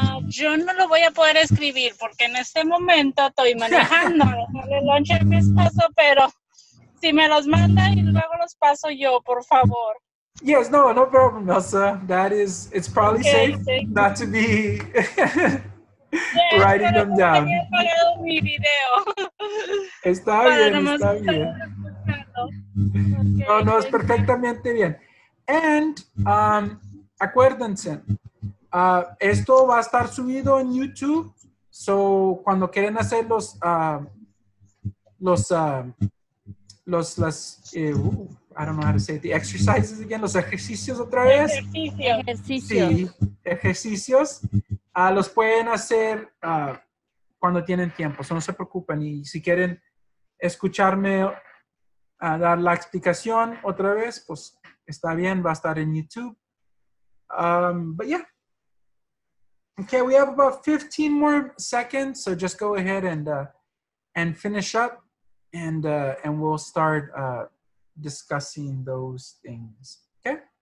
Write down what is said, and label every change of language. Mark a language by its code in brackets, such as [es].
[es] Yo no lo voy a poder escribir porque en este momento estoy manejando. El launcher me paso, pero si me los manda y luego los paso yo, por favor. [en] Yes, no problem, Elsa. That is, it's probably okay, safe not to be yes, writing them down. [es] Mi video. Está para bien, está bien. Okay, no, es perfectamente bien. And, acuérdense. Esto va a estar subido en YouTube, so cuando quieren hacer [en] the exercises again, [es] los ejercicios otra vez. Ejercicios. Los pueden hacer cuando tienen tiempo, so no se preocupen. Y si quieren escucharme dar la explicación otra vez, pues está bien, va a estar en YouTube. [en] But yeah. Okay, we have about 15 more seconds, so just go ahead and finish up, and we'll start discussing those things. Okay.